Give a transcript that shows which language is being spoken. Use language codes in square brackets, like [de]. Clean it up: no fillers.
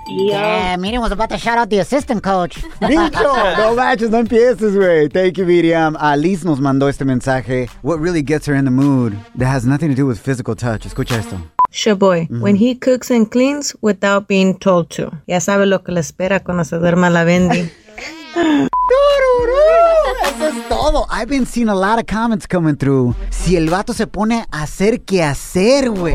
[en] Yeah. Yeah, Miriam was about to shout out the assistant coach. Micho! [es] No matches, no empieces, güey. [en] Thank you, Miriam. [es] Alice nos mandó este mensaje. [en] What really gets her in the mood that has nothing to do with physical touch? [es] Escucha esto. [en] Shaboy, when he cooks and cleans without being told to. [es] Ya sabe lo que le espera cuando se duerma la Bendy. Eso es todo. [en] I've been seeing a lot of comments coming through. [es] Si el vato se pone a hacer que hacer, güey.